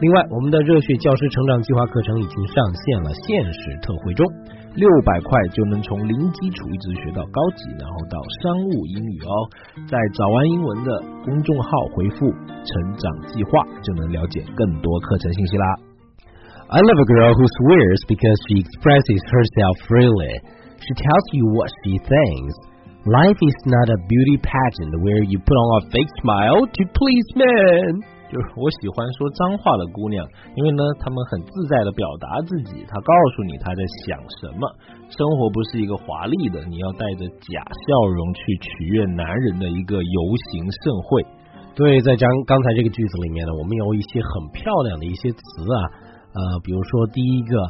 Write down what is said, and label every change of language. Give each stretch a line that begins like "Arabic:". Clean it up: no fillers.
Chinese: 另外，我们的热血教师成长计划课程已经上线了，限时特惠中。 600块就能从零基础一直学到高级，然后到商务英语哦。在早安英文的公众号回复成长计划，就能了解更多课程信息啦。
English: I love a girl who swears because she expresses herself freely. She tells you what she thinks. Life is not a beauty pageant where you put on a fake smile to please men.
Chinese: 就是我喜欢说脏话的姑娘，因为呢她们很自在地表达自己，她告诉你她在想什么。生活不是一个华丽的，你要带着假笑容去取悦男人的一个游行盛会。对，在刚才这个句子里面呢，我们有一些很漂亮的一些词啊，比如说第一个，